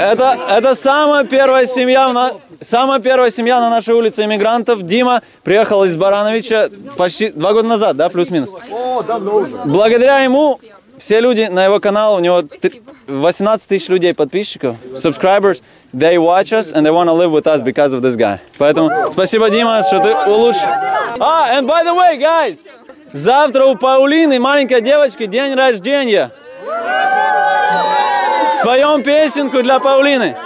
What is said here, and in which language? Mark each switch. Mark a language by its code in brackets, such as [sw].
[ru] Это самая первая семья на нашей улице иммигрантов. Дима приехал из Барановича почти 2 года назад, да, плюс-минус? О, давно уже. Благодаря ему все люди на его канал, у него 18 тысяч людей подписчиков, [en] subscribers, they watch us and they want to live with us because of this guy. [ru] Поэтому спасибо, Дима, что ты улучшил. А, [en] and by the way, guys, [ru] завтра у Паулины, маленькой девочки, день рождения. Споем песенку для Паулины.